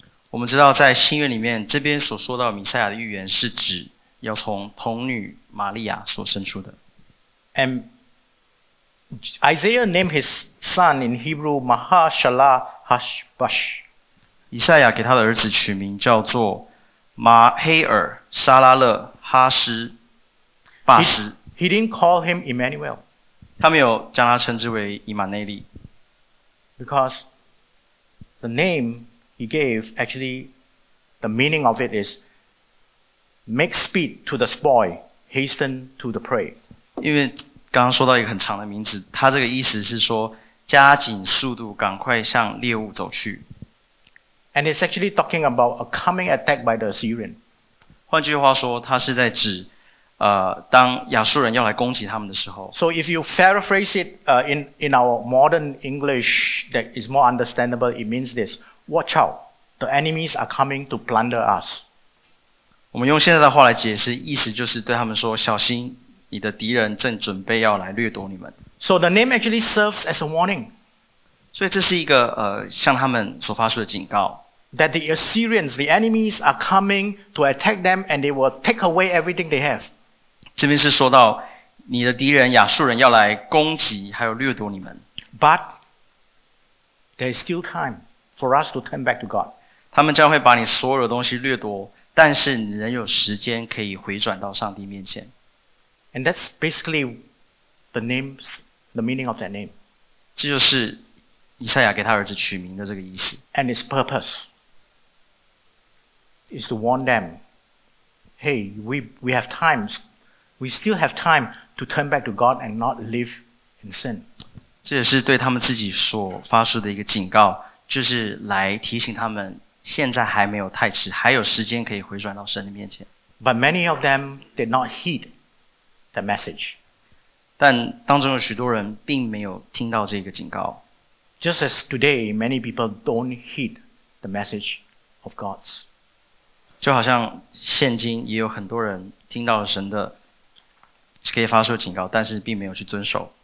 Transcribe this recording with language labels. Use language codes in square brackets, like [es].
[zh] 我们知道在新约里面，这边所说到弥赛亚的预言是指要从童女玛利亚所生出的。 [en] And Isaiah named his son in Hebrew Mahashalah Hashbash. [zh] 以赛亚给他的儿子取名叫做马黑尔沙拉勒哈什巴什。 [en] He didn't call him Emmanuel. [zh] 他没有将他称之为以马内利。 [en] Because the name he gave, actually, the meaning of it is make speed to the spoil, hasten to the prey. [zh] 因为刚刚说到一个很长的名字，他这个意思是说加紧速度，赶快向猎物走去。 [en] And it's actually talking about a coming attack by the Assyrian. [zh] 换句话说，他是在指当亚述人要来攻击他们的时候。 [en] So if you paraphrase it in our modern English that is more understandable, it means this: Watch out, the enemies are coming to plunder us. [zh] 我们用现在的话来解释，意思就是对他们说：小心，你的敌人正准备要来掠夺你们。 [en] So the name actually serves as a warning. [zh] 所以这是一个向他们所发出的警告。 [en] That the Assyrians, the enemies, are coming to attack them, and they will take away everything they have. [zh] 这边是说到你的敌人亚述人要来攻击，还有掠夺你们。 [en] But there is still time for us to turn back to God. [zh] 他们将会把你所有的东西掠夺，但是你仍有时间可以回转到上帝面前。 [en] And that's basically the name, the meaning of that name. [zh] 这就是以赛亚给他儿子取名的这个意思。 [en] And its purpose. Is to warn them, hey, we have times, we still have time to turn back to God and not live in sin. [zh] 这也是对他们自己所发出的一个警告，就是来提醒他们现在还没有太迟，还有时间可以回转到神的面前。 [en] But many of them did not heed the message. [zh] 但当中有许多人并没有听到这个警告。 [en] Just as today, many people don't heed the message of God's. [zh] 就好像现今也有很多人听到了神的可以发出警告，但是并没有去遵守。